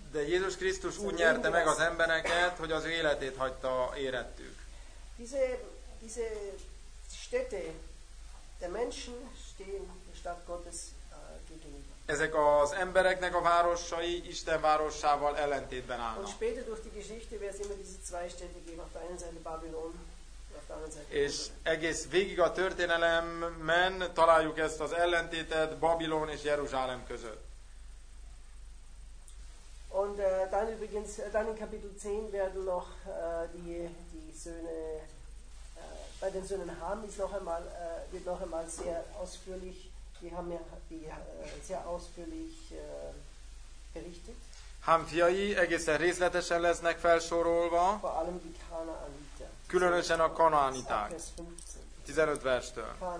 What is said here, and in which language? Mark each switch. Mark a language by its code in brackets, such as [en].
[hu] de Jézus Krisztus úgy nyerte meg az embereket, hogy az életét hagyta érettük. [de] Diese Städte der Menschen stehen der Stadt Gottes gegenüber. [hu] Ezek az embereknek a városai Isten városával ellentétben állnak. [de] Und später durch die Geschichte wird es immer diese zwei Städte geben, auf der einen Seite Babylon. [hu] És egész végig a történelemben találjuk ezt az ellentétet Babilon és Jeruzsálem között. [de] Und dann übrigens dann in Kapitel 10 werden noch die Söhne bei den Söhnen Ham ist noch einmal wird noch einmal sehr ausführlich, die haben ja sehr ausführlich berichtet. [hu] Ham fiai egészen részletesen lesznek felsorolva. [de] Vor allem die Kanaaniter. [hu] Különösen a kanaaniták. 15 verstől.